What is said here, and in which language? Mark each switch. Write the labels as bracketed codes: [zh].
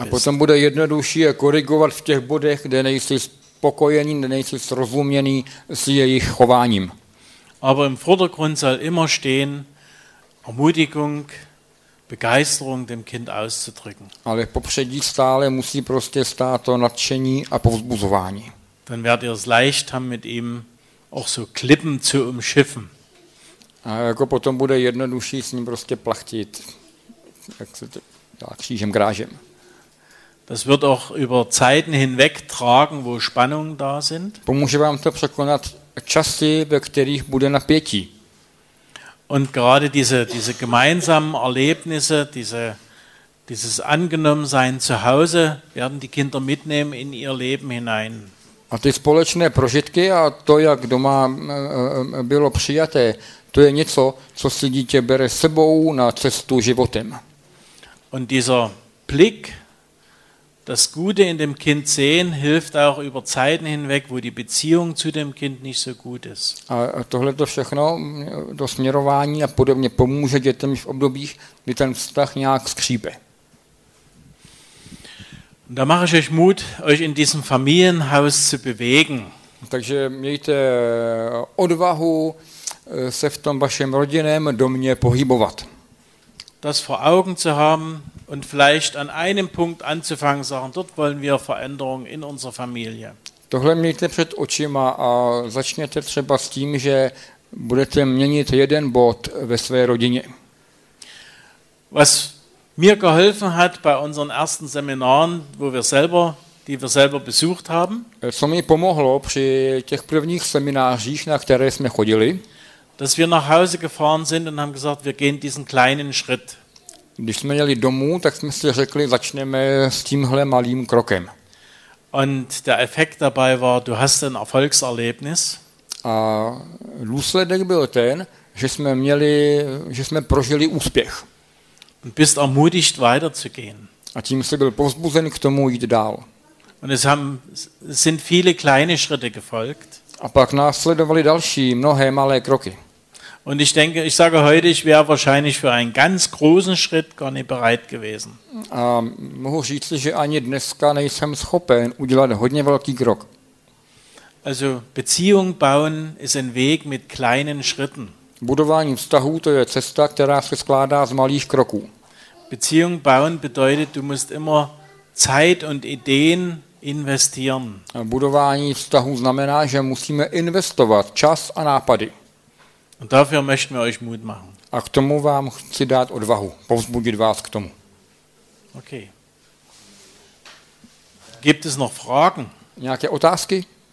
[cs] A potom bude jednodušší je korigovat v těch bodech, kde nejsi spokojený, kde nejsi srozuměný s jejich chováním. [de] Aber im Vordergrund soll immer stehen, Ermutigung, Begeisterung dem Kind auszudrücken. [cs] Ale popředí stále musí prostě stát to nadšení a povzbuzování. [de] Dann werdet ihr es leicht haben, mit ihm auch so Klippen zu umschiffen. [cs] A jako potom bude jednodušší s ním prostě plachtit, jak se to dělá, křížem, grážem. [de] Das wird auch über Zeiten hinweg tragen, wo Spannungen da sind. [cs] Pomůže vám to překonat časy, ve kterých bude napětí. [de] Und gerade diese gemeinsamen Erlebnisse, dieses Angenommensein zu Hause, werden die Kinder mitnehmen in ihr Leben hinein. [cs] A ty společné prožitky a to, jak doma bylo přijaté, to je něco, co si dítě bere sebou na cestu životem. [de] Und dieser Blick, das Gute in dem Kind sehen, hilft auch über Zeiten hinweg, wo die Beziehung zu dem Kind nicht so gut ist. [cs] A tohle to všechno, to směrování a podobně, pomůže dětem v obdobích, kdy ten vztah nějak skřípe. [de] Da mache ich euch Mut, euch in diesem Familienhaus zu bewegen. [cs] Takže mějte odvahu se v tom vašem rodinném domě pohybovat. [de] Das vor Augen zu haben und vielleicht an einem Punkt anzufangen, sagen, dort wollen wir Veränderungen in unserer Familie. [cs] Tohle mějte před očima a začněte třeba s tím, že budete měnit jeden bod ve své rodině. [de] Was mir geholfen hat bei unseren ersten Seminaren, die wir selber besucht haben. [cs] Co mi pomohlo při těch prvních seminářích, na které jsme chodili. [de] Dass wir nach Hause gefahren sind und haben gesagt, wir gehen diesen kleinen Schritt. [cs] Když jsme jeli domů, tak jsme si řekli, začneme s tímhle malým krokem. [de] Und der Effekt dabei war, du hast ein Erfolgserlebnis. [cs] A důsledek byl ten, že jsme prožili úspěch. [de] Und bist ermutigt weiterzugehen. [cs] A tím jsi byl povzbuzen k tomu jít dál. [de] Und es haben, sind viele kleine Schritte gefolgt. [cs] A pak následovali další mnohé malé kroky. [de] Und ich denke, ich sage heute, ich wäre wahrscheinlich für einen ganz großen Schritt gar nicht bereit gewesen. [cs] A mohu říct, že ani dneska nejsem schopen udělat hodně velký krok. [de] Also Beziehung bauen ist ein Weg mit kleinen Schritten. [cs] Budování vztahů, to je cesta, která se skládá z malých kroků. [de] Beziehung bauen bedeutet, du musst immer Zeit und Ideen investieren. [cs] A budování vztahů znamená, že musíme investovat čas a nápady. [de] Und dafür möchten wir euch Mut machen. [cs] A k tomu vám chci dát odvahu, povzbudit vás k tomu. Okay. [de] Gibt es noch Fragen? [cs] Nějaké otázky?